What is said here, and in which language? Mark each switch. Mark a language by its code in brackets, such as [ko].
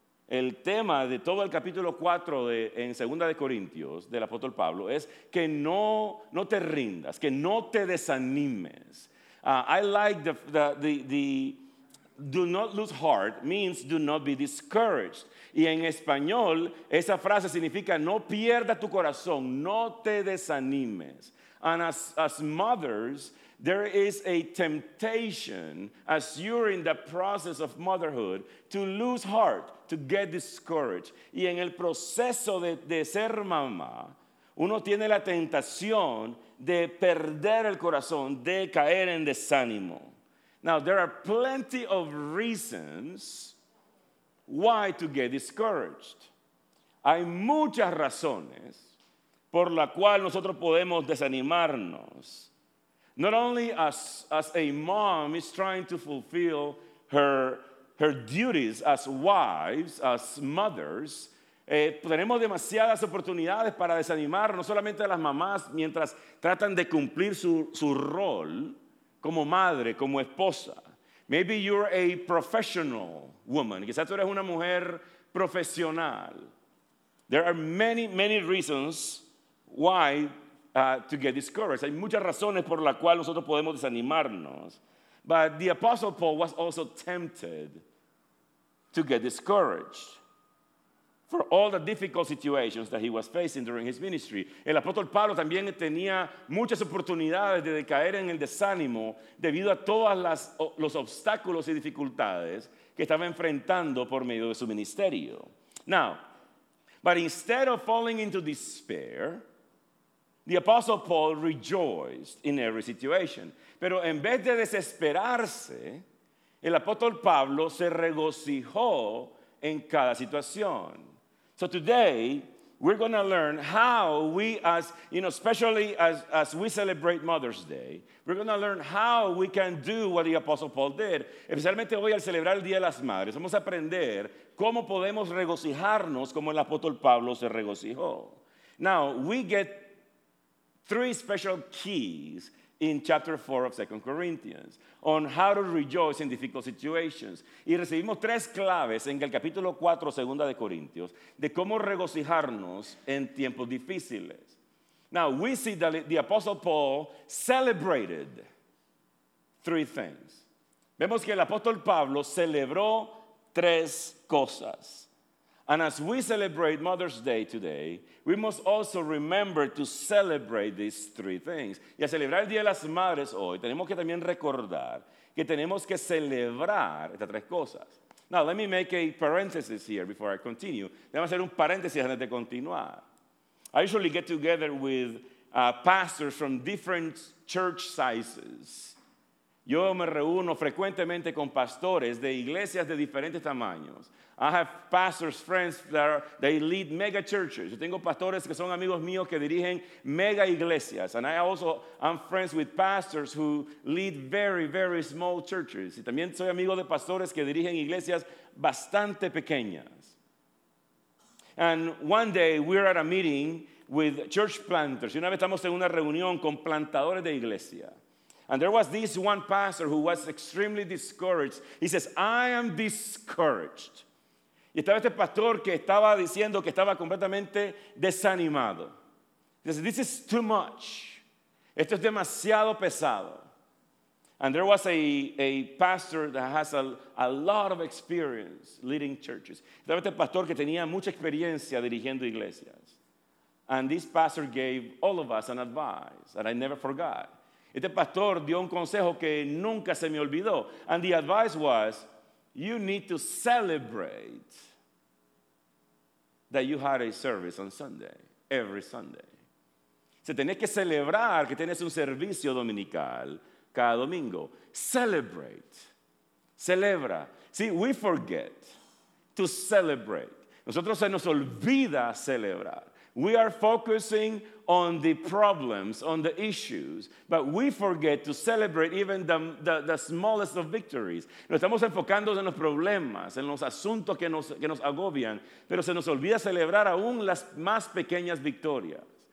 [es] El tema de todo el capítulo 4 en 2 de Corintios del Apóstol Pablo es que no te rindas, que no te desanimes. [en] I like the do not lose heart means do not be discouraged. [es] Y en español esa frase significa no pierda tu corazón, no te desanimes. [en] And as mothers, there is a temptation as you're in the process of motherhood to lose heart, to get discouraged. [es] Y en el proceso de ser mamá, uno tiene la tentación de perder el corazón, de caer en desánimo. [en] Now, there are plenty of reasons why to get discouraged. [es] Hay muchas razones por la cual nosotros podemos desanimarnos. [en] Not only as a mom is trying to fulfill her duties as wives, as mothers, [es] tenemos demasiadas oportunidades para desanimarnos, no solamente a las mamás mientras tratan de cumplir su rol como madre, como esposa. [en] Maybe you're a professional woman. [es] Quizás tú eres una mujer profesional. [en] There are many, many reasons why to get discouraged. [es] Hay muchas razones por las cuales nosotros podemos desanimarnos. [en] But the Apostle Paul was also tempted to get discouraged for all the difficult situations that he was facing during his ministry. [es] El apóstol Pablo también tenía muchas oportunidades de caer en el desánimo debido a todos los obstáculos y dificultades que estaba enfrentando por medio de su ministerio. [en] Now, but instead of falling into despair, the apostle Paul rejoiced in every situation. [es] Pero en vez de desesperarse, el apóstol Pablo se regocijó en cada situación. [en] So today, we're going to learn how we as, you know, especially as we celebrate Mother's Day, we're going to learn how we can do what the Apostle Paul did. [es] Especialmente hoy al celebrar el Día de las Madres, vamos a aprender cómo podemos regocijarnos como el apóstol Pablo se regocijó. [en] Now, we get three special keys in chapter 4 of 2 Corinthians on how to rejoice in difficult situations. [es] Y recibimos tres claves en el capítulo 4, 2 de Corintios, de cómo regocijarnos en tiempos difíciles. [en] Now, we see that the Apostle Paul celebrated three things. [es] Vemos que el apóstol Pablo celebró tres cosas. [en] And as we celebrate Mother's Day today, we must also remember to celebrate these three things. [es] Y al celebrar el Día de las Madres hoy, tenemos que también recordar que tenemos que celebrar estas tres cosas. [en] Now, let me make a parenthesis here before I continue. [es] Déjame hacer un paréntesis antes de continuar. [en] I usually get together with pastors from different church sizes. [es] Yo me reúno frecuentemente con pastores de iglesias de diferentes tamaños. [en] I have pastors, friends that are, they lead mega churches. [es] Yo tengo pastores que son amigos míos que dirigen mega iglesias. [en] And I also am friends with pastors who lead very, very small churches. [es] Y también soy amigo de pastores que dirigen iglesias bastante pequeñas. [en] And one day we're at a meeting with church planters. [es] Y una vez estamos en una reunión con plantadores de iglesia. [en] And there was this one pastor who was extremely discouraged. He says, I am discouraged. [es] Y estaba este pastor que estaba diciendo que estaba completamente desanimado. [en] He says, this is too much. [es] Esto es demasiado pesado. [en] And there was a pastor that has a lot of experience leading churches. [es] Estaba este pastor que tenía mucha experiencia dirigiendo iglesias. [en] And this pastor gave all of us an advice that I never forgot. [es] Este pastor dio un consejo que nunca se me olvidó. [en] And the advice was, you need to celebrate that you had a service on Sunday, every Sunday. [es] Se tenés que celebrar que tienes un servicio dominical cada domingo. [en] Celebrate. [es] Celebra. [en] See, we forget to celebrate. [es] Nosotros se nos olvida celebrar. [en] We are focusing on the problems, on the issues, but we forget to celebrate even the smallest of victories. [es] Nos estamos enfocando en los problemas, en los asuntos que nos agobian, pero se nos olvida celebrar aún las más pequeñas victorias.